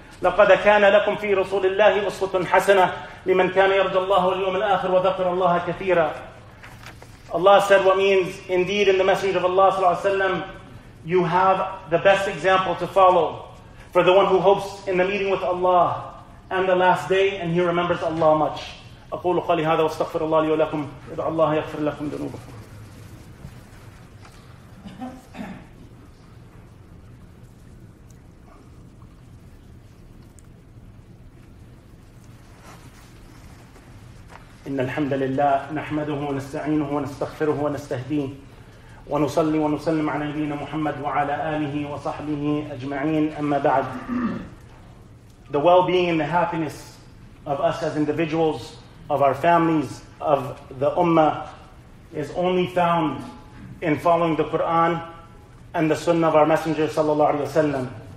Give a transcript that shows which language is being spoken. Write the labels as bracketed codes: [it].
[ar] لَقَدَ كَانَ لَكُمْ فِي رَسُولِ اللَّهِ أُسْوَةٌ حَسَنَةٌ لِمَنْ كَانَ يَرْجُ اللَّهُ الْيَوْمَ الْآخِرَ وَذَكَرَ اللَّهَ كَثِيرًا. [en] Allah said what means, indeed in the Messenger of Allah sallallahu alayhi wa sallam, you have the best example to follow for the one who hopes in the meeting with Allah and the last day, and he remembers Allah much. [ar] أقول قولي هذا واستغفر الله لي ولكم ادع الله يغفر لكم ذنوبكم. إن الحمد لله نحمده ونستعينه ونستغفره ونستهديه ونصلي ونسلم على نبينا محمد وعلى آله وصحبه أجمعين. أما بعد, [en] the well-being and the happiness of us as individuals, of our families, of the ummah, is only found in following the Quran and the Sunnah of our Messenger sallallahu alaihi wasallam.